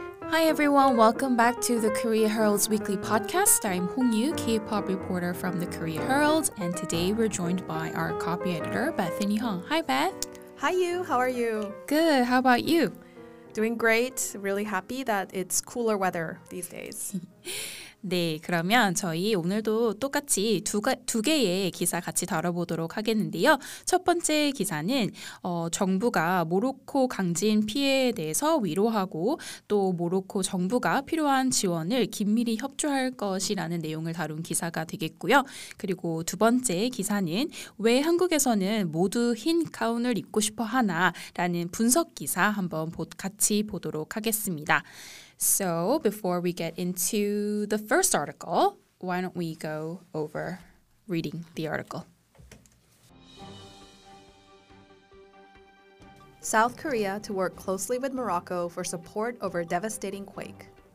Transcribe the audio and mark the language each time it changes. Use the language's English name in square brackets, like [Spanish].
[English] Hi everyone, welcome back to the Korea Herald's weekly podcast. I'm Hong Yu, K-pop reporter from the Korea Herald, and today we're joined by our copy editor, Bethany Hong. Hi Beth. Hi Yu, how are you? Good, how about you? Doing great, really happy that it's cooler weather these days. [Korean] 네, 그러면 저희 오늘도 똑같이 두 개의 기사 같이 다뤄보도록 하겠는데요. 첫 번째 기사는 정부가 모로코 강진 피해에 대해서 위로하고 또 모로코 정부가 필요한 지원을 긴밀히 협조할 것이라는 내용을 다룬 기사가 되겠고요. 그리고 두 번째 기사는 왜 한국에서는 모두 흰 가운을 입고 싶어 하나? 라는 분석 기사 한번 같이 보도록 하겠습니다. [English] So before we get into the first article, why don't we go over reading the article. South Korea to work closely with Morocco for support over devastating quake.